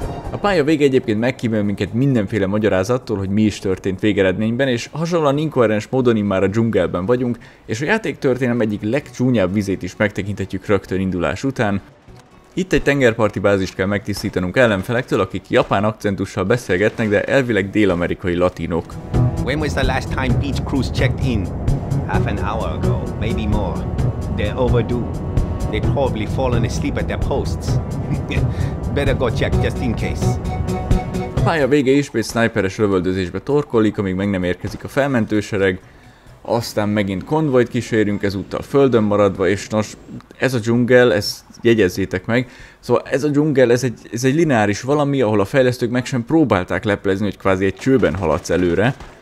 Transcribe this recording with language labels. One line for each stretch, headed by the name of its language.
Hungarian: A pálya vége egyébként megkímél minket mindenféle magyarázattól, hogy mi is történt végeredményben, és hasonlóan inkoherens módon immár a dzsungelben vagyunk, és a játéktörténelem egyik legcsúnyább vizét is megtekinthetjük rögtön indulás után. Itt egy tengerparti bázist kell megtisztítanunk ellenfelektől, akik japán akcentussal beszélgetnek, de elvileg dél-amerikai latinok.
English: When was the last time beach crews checked in? Half an hour ago, maybe more. They're overdue. They've probably fallen asleep at their posts. Better go check just in case.
Hungarian: A pálya vége ismét sniperes lövöldözésbe torkolik, amíg meg nem érkezik a felmentősereg. Aztán megint konvojt kísérünk, ezúttal földön maradva, és nos, ez a dzsungel, ez jegyezzétek meg. Szóval ez a dzsungel, ez egy lineáris valami, ahol a fejlesztők meg sem próbálták leplezni, hogy kvázi egy csőben haladsz előre.